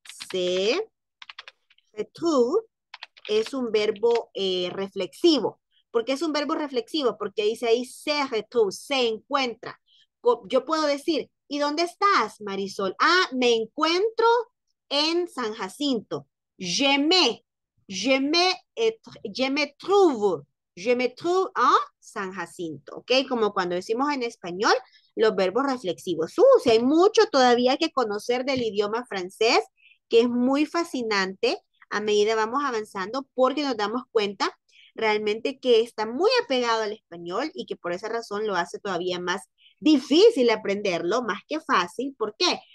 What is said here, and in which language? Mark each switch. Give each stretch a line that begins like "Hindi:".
Spanish: Se retrouve es un verbo reflexivo. ¿Por qué es un verbo reflexivo? Porque dice ahí se retrouve, se encuentra. Yo puedo decir, ¿y dónde estás, Marisol? Ah, me encuentro en San Jacinto.
French: Je me trouve en San Jacinto.
Spanish: ¿Ok? Como cuando decimos en español los verbos reflexivos. Si hay mucho todavía que conocer del idioma francés, que es muy fascinante a medida vamos avanzando, porque nos damos cuenta realmente que está muy apegado al español y que por esa razón lo hace todavía más difícil aprenderlo, más que fácil. ¿Por qué?